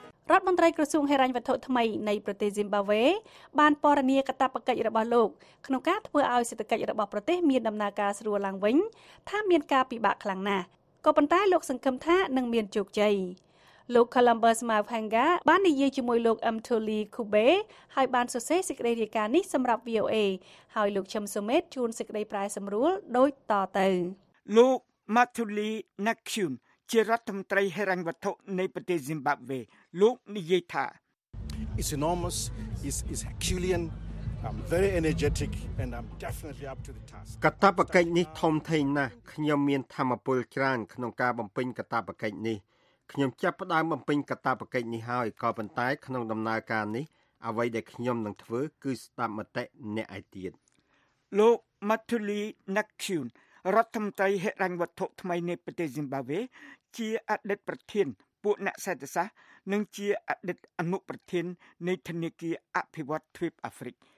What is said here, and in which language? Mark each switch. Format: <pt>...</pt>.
<km>រដ្ឋមន្ត្រីក្រសួងហិរញ្ញវត្ថុថ្មីនៃប្រទេសស៊ីមបាវេបានពណ៌នាកាតព្វកិច្ចរបស់លោកក្នុងការធ្វើឲ្យសេដ្ឋកិច្ចរបស់ប្រទេសមានដំណើរការស្រួលឡើងវិញថាមានការពិបាកខ្លាំងណាស់ក៏ប៉ុន្តែលោកសង្ឃឹមថានឹងមានជោគជ័យលោក Columbus Mavhanga បាននិយាយជាមួយលោក M. Tuli Kube ហើយបានសរសេរសេចក្តីរាយការណ៍នេះសម្រាប់ VOA ហើយលោកឈឹមសុមេតជួនសេចក្តីប្រែសម្រួលដូចតទៅ លោក Matuli Nakhun ជារដ្ឋមន្ត្រីហិរញ្ញវត្ថុនៃប្រទេសស៊ីមបាវេលោកនិយាយថា</km> <en>It's enormous is Herculean I'm very energetic and I'm definitely up to the task</en> <km>កាតព្វកិច្ចនេះធំធេងណាស់ខ្ញុំមានធម្មពលច្រើនក្នុងការបំពេញកាតព្វកិច្ចនេះខ្ញុំចាប់ផ្ដើមបំពេញកាតព្វកិច្ចនេះហើយក៏ប៉ុន្តែក្នុងដំណើរការនេះអ្វីដែលខ្ញុំនឹងធ្វើគឺស្ដាប់មតិអ្នកឯទៀត លោក Matuli Nakhun រដ្ឋមន្ត្រីហិរញ្ញវត្ថុថ្មីនៃប្រទេសស៊ីមបាវេជាអតីតប្រធានពួកអ្នកសេដ្ឋសាស្ត្រនិងជាអតីតអនុប្រធាននៃធនាគារអភិវឌ្ឍទ្វីបអាហ្វ្រិក</km>